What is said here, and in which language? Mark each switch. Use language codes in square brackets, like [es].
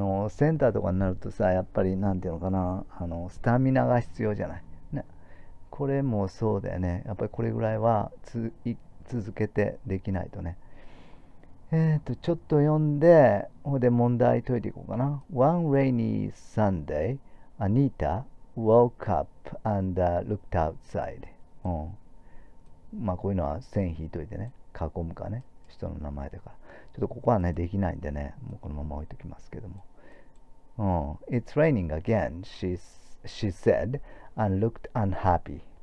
[ja] センターとかになるとさ、やっぱり何て言うのかな、スタミナが必要じゃない。ね。これもそうだよね。やっぱりこれぐらいは続けてできないとね。ちょっと読んで、ここで問題解いていこうかな。 [en] One rainy Sunday, Anita woke up and looked outside. [ja] まあ、こういうのは線引いといてね。囲むかね。人の名前とか。ちょっとここはね、できないんでね、もうこのまま置いときますけども。 [en] It's raining again, she said, and looked unhappy.